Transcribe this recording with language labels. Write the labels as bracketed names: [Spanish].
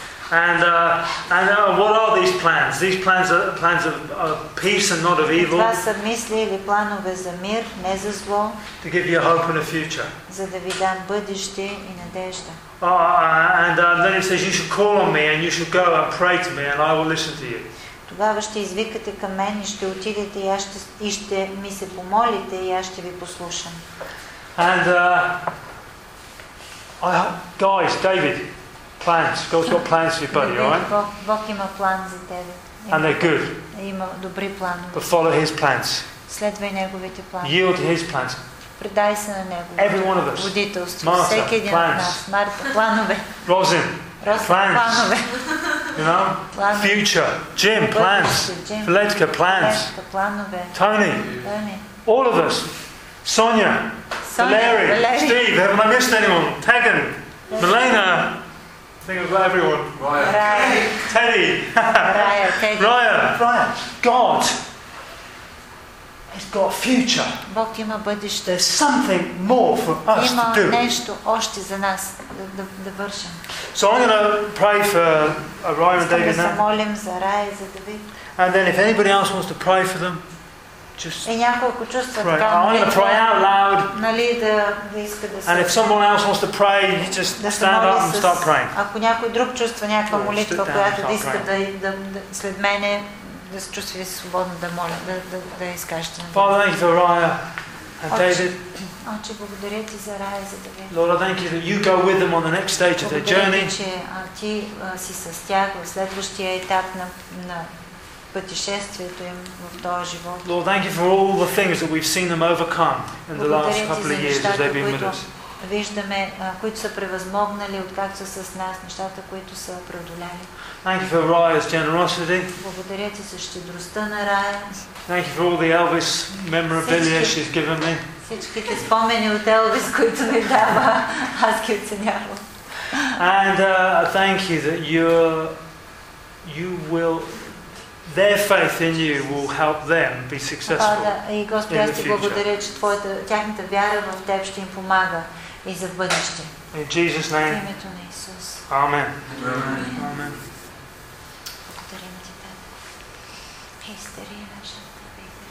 [English] And what are these plans? These plans are plans of peace and not of evil. [Bulgarian] Това са мисли или планове за мир, не за зло. [English] To give you hope and a future. [Bulgarian] За да ви дам бъдеще и надежда. [English] Then it says you should call on me and you should go and pray to me and I will listen to you. [Bulgarian] Тогава ще извикате към мен и ще отидете и ще ми се помолите и аз ще ви послушам. [English] Guys, David, plans. God's got plans for your buddy, right? [Bulgarian] Бог има план за теб. [English] And they're good. [Bulgarian] Има добри планове. [English] But follow His plans. [Bulgarian] Следвай Неговите планове. [English] Yield His plans. [Bulgarian] Предай се на Него. [English] Every one of us. [Bulgarian] Водителство. Martha, всеки един [English] plans. [Bulgarian] От нас. Марта, планове. Розин. Розин, планове. [English] You know? [Bulgarian] Планове. [English] Future. Jim, plans. Летка, [Bulgarian] планове. [English] Тони. All of us. Соня. Валери. Стив. Have I missed anyone? Теган. Милена. Think about everyone. Raya. Teddy. Raya. Teddy. Raya. God has got a future. [Bulgarian] Бог има бъдеще. [English] There's something more for us [Bulgarian] има [English] to do. [Bulgarian] Има нещо още за нас да вършим. [English] So I'm going to pray for Raya and David now. [Bulgarian] Да се молим за Raya и за David. [English] And then if anybody else wants to pray for them, just pray. I'm going to pray out loud. [Bulgarian] Нали, [English] and if someone else wants to pray, you just [Bulgarian] да [English] stand up and start praying. [Bulgarian] Ако някой друг чувства някаква молитва, която иска да след мене да се чувства свободно да моля, да изкажете. [English] Father, thank you for Raya and David. [Bulgarian] Отче, благодаря ти за Raya и за David. [English] Lord, I thank you that you go with them on the next stage of their journey. [Bulgarian] Ти си с тях в следващия етап на пътешествието им в този живот. [English] Lord, thank you for all the things that we've seen them overcome in the last couple of years as they've been with us. [Bulgarian] Виждаме, които са превъзмогнали откакто са с нас, нещата, които са преодоляли. [English] Thank you for Raya's generosity. [Bulgarian] Благодаря ти за щедростта на Raya. [English] Thank you for all the Elvis memorabilia she's given me. [Bulgarian] Всичките спомени от Елвис, които ми дава, аз ги оценявам. [English] And thank you that you will their faith in you will help them be successful. [Bulgarian] И Господи, аз ти благодаря, че тяхната вяра в теб ще им помага и за бъдеще. [English] In Jesus' name. [Bulgarian] В името на Исус. [English] Amen. Amen. [Bulgarian] Благодарим ти, Таде.